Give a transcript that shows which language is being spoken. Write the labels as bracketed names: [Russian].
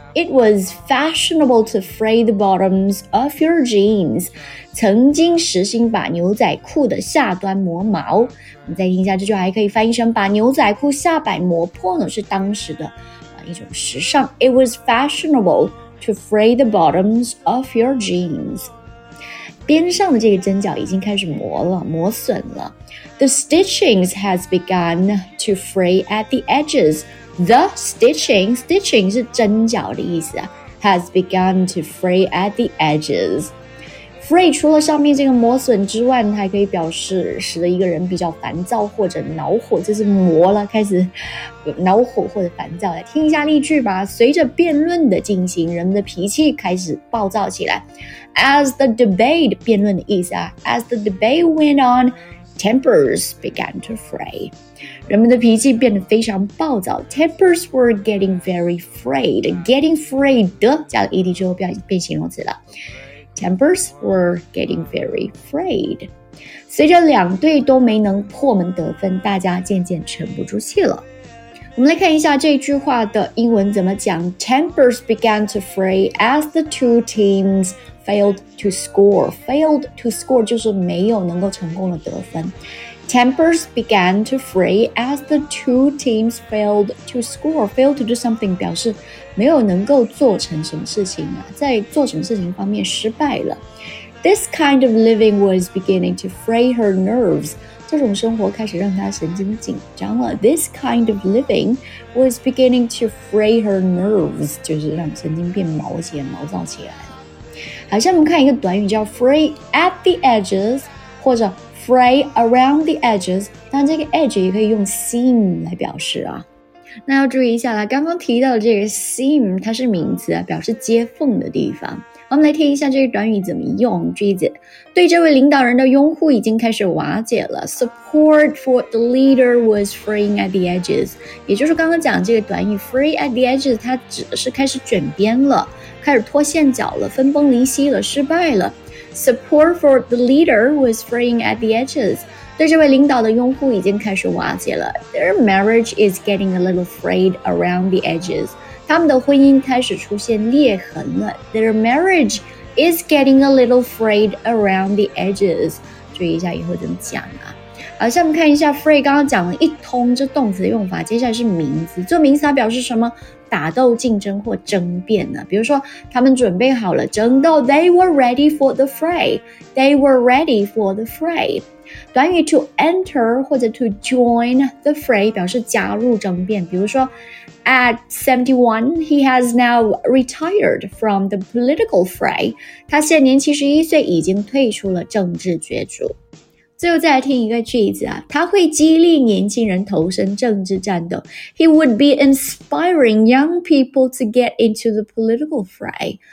[English] It was fashionable to fray the bottoms of your jeans。 [Chinese] 曾经时兴把牛仔裤的下端磨毛。我们再听一下这句话，还可以翻译成把牛仔裤下摆磨破呢，是当时的一种时尚。 [English] It was fashionable to fray the bottoms of your jeans。 [Chinese] 边上的这个针脚已经开始磨了，磨损了。 [English] The stitchings has begun to fray at the edges。 The stitching [Chinese] 是针脚的意思啊 [English] ，has begun to fray at the edges。 [Chinese] Fray 除了上面这个磨损之外，它还可以表示使得一个人比较烦躁或者恼火，就是磨了，开始恼火或者烦躁。来听一下例句吧。随着辩论的进行，人们的脾气开始暴躁起来。 [English] As the debate [Chinese] 辩论的意思啊 [English] ，as the debate went on。 Tempers began to fray. [Chinese] 人们的脾气变得非常暴躁。 [English] Tempers were getting very frayed. Getting frayed [Chinese] 的加了 ed 之后变形容词了。 [English] Tempers were getting very frayed. [Chinese] 随着两队都没能破门得分，大家渐渐沉不住气了。我们来看一下这句话的英文怎么讲。 [English] Tempers began to fray as the two teams. Failed to score [Chinese] 就是没有能够成功的得分。 [English] Tempers began to fray as the two teams failed to score. Failed to do something [Chinese] 表示没有能够做成什么事情啊，在做什么事情方面失败了。 [English] This kind of living was beginning to fray her nerves. [Chinese] 这种生活开始让她神经紧张了。 [English] This kind of living was beginning to fray her nerves. [Chinese] 就是让神经变毛起来，毛躁起来。好，像我们看一个短语叫 fray at the edges 或者 fray around the edges， 但这个 edge 也可以用 seam 来表示啊。那要注意一下了，刚刚提到的这个 seam 它是名词啊，表示接缝的地方。我们来听一下这个短语怎么用。句子，对这位领导人的拥护已经开始瓦解了。 [English] Support for the leader was fraying at the edges。 [Chinese] 也就是刚刚讲这个短语 fray at the edges， 它指的是开始卷边了，开始脱线脚了，分崩离析了，失败了。 [English] Support for the leader was fraying at the edges。 [Chinese] 对这位领导的拥护已经开始瓦解了。 [English] Their marriage is getting a little frayed around the edges。 [Chinese] 他们的婚姻开始出现裂痕了。 [English] Their marriage is getting a little frayed around the edges。 [Chinese] 注意一下以后怎么讲啊。好，下面看一下 fray， 刚刚讲了一通这动词的用法，接下来是名词。做名词它表示什么？打斗、竞争或争辩呢？比如说，他们准备好了争斗。 [English] They were ready for the fray. They were ready for the fray。 [Chinese] 短语 to enter 或者 to join the fray 表示加入争辩。比如说 [English] ，at 71 he has now retired from the political fray。 [Chinese] 他现年71岁，已经退出了政治角逐。最后再来听一个句子啊，他会激励年轻人投身政治战斗。 [English] He would be inspiring young people to get into the political fray。